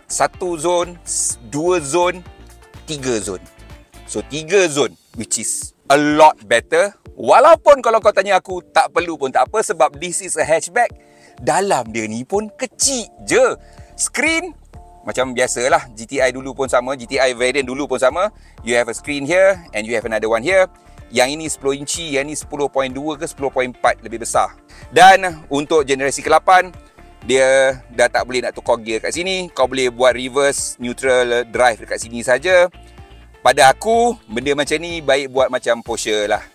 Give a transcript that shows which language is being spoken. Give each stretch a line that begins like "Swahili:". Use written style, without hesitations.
English: 1-zone, 2-zone, 3-zone. So, 3-zone, which is a lot better.
Malay: Walaupun kalau kau tanya aku, tak perlu pun tak apa sebab
English: this is a hatchback.
Malay: Dalam dia ni pun kecil je. Screen, macam biasalah. GTI dulu pun sama. GTI variant dulu pun sama.
English: You have a screen here and you have another one here.
Malay: Yang ini 10 inci, yang ini 10.2 ke 10.4 lebih besar. Dan untuk generasi ke-8, dia dah tak boleh nak tukar gear kat sini. Kau boleh buat reverse neutral drive dekat sini saja. Pada aku, benda macam ni baik buat macam Porsche lah.